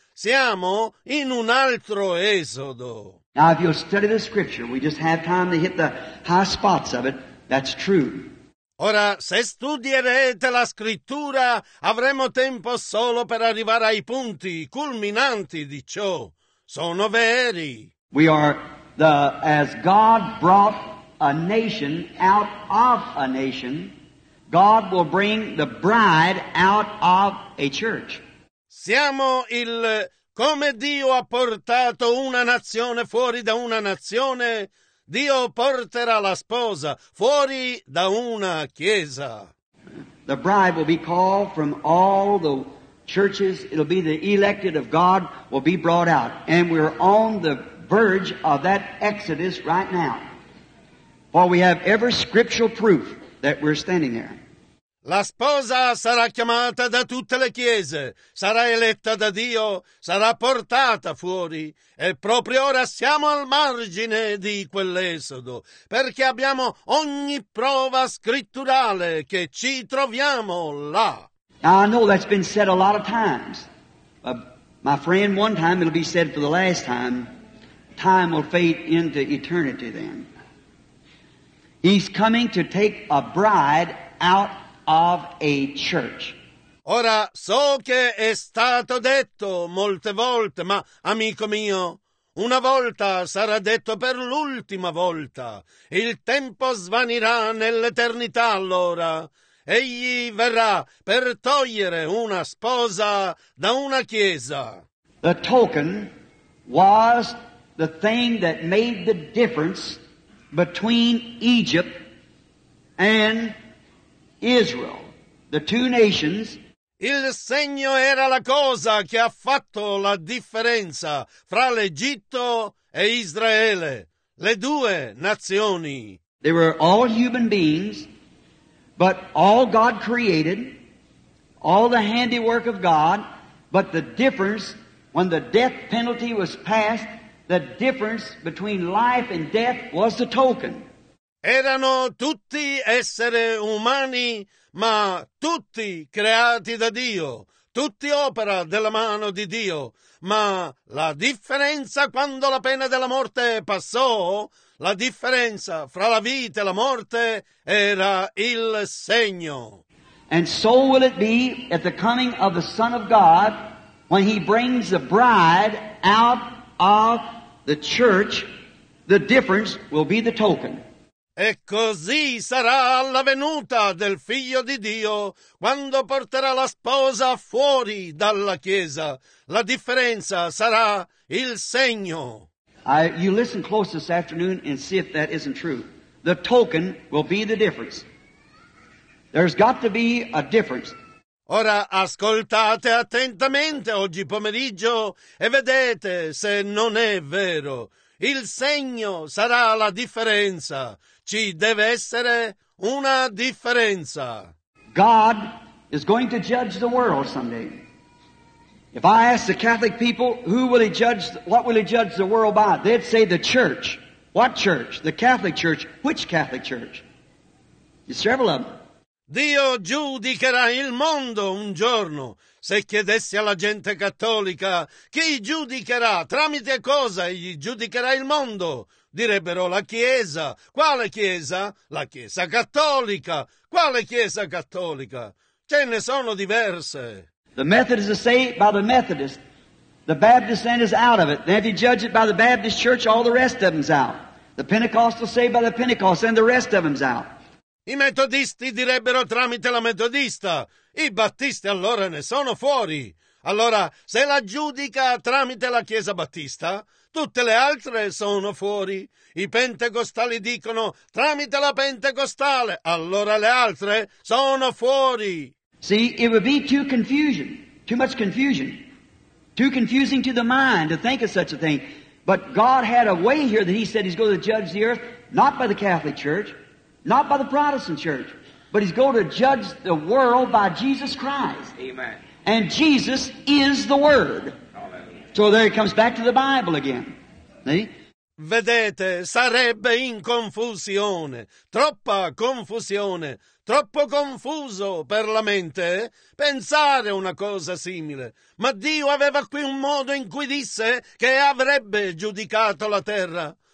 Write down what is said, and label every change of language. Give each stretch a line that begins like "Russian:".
Italian: Siamo in un altro esodo.
English: Now, if you'll study the scripture, we just have time to hit the high spots of it. That's true.
Italian: Ora, se studierete la scrittura, avremo tempo solo per arrivare ai punti culminanti di ciò. Sono veri.
English: We are the, as God brought a nation out of a nation, God will bring the bride out of a church.
Italian: Siamo il come Dio ha portato una nazione fuori da una nazione, Dio porterà la sposa fuori da una chiesa.
English: The bride will be called from all the churches. It'll be the elected of God will be brought out. And we're on the verge of that exodus right now. For we have every scriptural proof that we're standing there.
Italian: La sposa sarà chiamata da tutte le chiese, sarà eletta da Dio, sarà portata fuori. E proprio ora siamo al margine di quell'esodo, perché abbiamo ogni prova scritturale che ci troviamo là.
English: Now I know that's been said a lot of times. My friend, one time it'll be said for the last time, time will fade into eternity then. He's coming to take a bride out of a church.
Italian: Ora so che è stato detto molte volte, ma amico mio, una volta sarà detto per l'ultima volta. Il tempo svanirà nell'eternità allora. Egli verrà per togliere una sposa da una chiesa.
English: The token was the thing that made the difference between Egypt and Israel, the two nations.
Italian: Il segno era la cosa che ha fatto la differenza fra l'Egitto e Israele, le due nazioni.
English: They were all human beings, but all God created, all the handiwork of God, but the difference, when the death penalty was passed, the difference between life and death was the token.
Italian: Erano tutti esseri umani, ma tutti creati da Dio, tutti opera della mano di Dio. Ma la differenza quando la pena della morte passò, la differenza fra la vita e la morte era il segno.
English: And so will it be at the coming of the Son of God, when he brings the bride out of the church, the difference will be the token.
Italian: E così sarà alla venuta del Figlio di Dio, quando porterà la sposa fuori dalla chiesa. La differenza sarà il segno.
English: You listen close this afternoon and see if that isn't true. The token will be the difference. There's got to be a difference.
Italian: Ora ascoltate attentamente oggi pomeriggio e vedete se non è vero. Il segno sarà la differenza. Ci deve essere una differenza.
English: God is going to judge the world someday. If I ask the Catholic people, who will he judge, what will he judge the world by? They'd say the church. What church? The Catholic Church. Which Catholic Church? There's several of them.
Italian: Dio giudicherà il mondo un giorno. Se chiedessi alla gente cattolica, chi giudicherà? Tramite cosa egli giudicherà il mondo? Direbbero la Chiesa. Quale Chiesa? La Chiesa cattolica. Quale Chiesa cattolica? Ce ne sono diverse.
English: The Methodists say by the Methodist. The Baptist then is out of it. Then if you judge it by the Baptist church, all the rest of them's out. The Pentecostals say by the Pentecost, then the rest of them's out.
Italian: I metodisti direbbero tramite la metodista, i battisti allora ne sono fuori. Allora, se la giudica tramite la Chiesa Battista, tutte le altre sono fuori. I pentecostali dicono tramite la pentecostale, allora le altre sono fuori.
English: See, it would be too confusion, too much confusion, too confusing to the mind to think of such a thing. But God had a way here that he said he's going to judge the earth, not by the Catholic Church, not by the Protestant church, but he's going to judge the world by Jesus Christ. Amen. And Jesus is the Word. Hallelujah. So there he comes back to the Bible again. See?
Italian: Vedete, sarebbe in confusione, troppa confusione, troppo confuso per la mente pensare una cosa simile. Ma Dio aveva qui un modo in cui disse che avrebbe giudicato la terra.